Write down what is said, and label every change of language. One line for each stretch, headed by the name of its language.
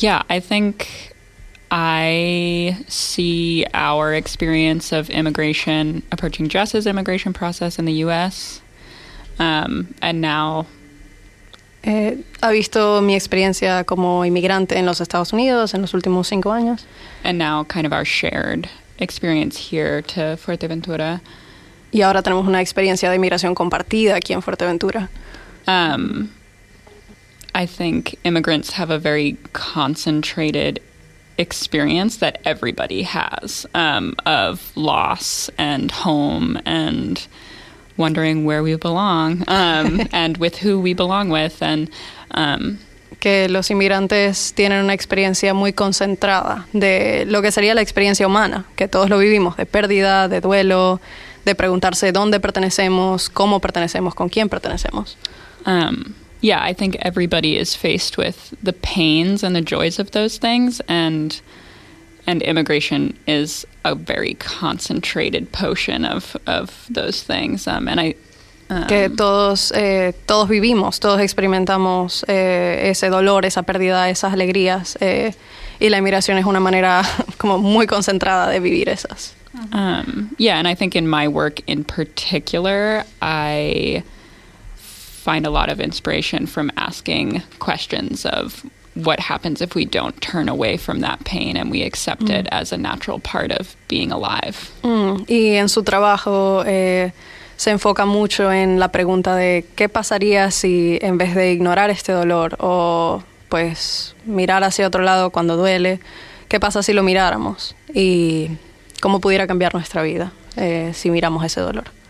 English: I think I see our experience of immigration, approaching Jess's immigration process in the U.S., and now.
Spanish: Ha visto mi experiencia como inmigrante en los Estados Unidos en los últimos 5 años.
English: And now, kind of our shared experience here to Fuerteventura.
Spanish: Y ahora tenemos una experiencia de inmigración compartida aquí en Fuerteventura.
English: I think immigrants have a very concentrated experience that everybody has, of loss and home and wondering where we belong, and with who we belong with, and
Spanish: que los inmigrantes tienen una experiencia muy concentrada de lo que sería la experiencia humana, que todos lo vivimos, de pérdida, de duelo, de preguntarse dónde pertenecemos, cómo pertenecemos, con quién pertenecemos.
English: I think everybody is faced with the pains and the joys of those things, and immigration is a very concentrated potion of those things.
Spanish: Que todos vivimos, todos experimentamos ese dolor, esa pérdida, esas alegrías, y la inmigración es una manera como muy concentrada de vivir esas.
English: And I think in my work in particular, I find a lot of inspiration from asking questions of what happens if we don't turn away from that pain and we accept it as a natural part of being alive.
Spanish: Y en su trabajo se enfoca mucho en la pregunta de qué pasaría si, en vez de ignorar este dolor o pues mirar hacia otro lado cuando duele, qué pasa si lo miráramos y cómo pudiera cambiar nuestra vida si miramos ese dolor.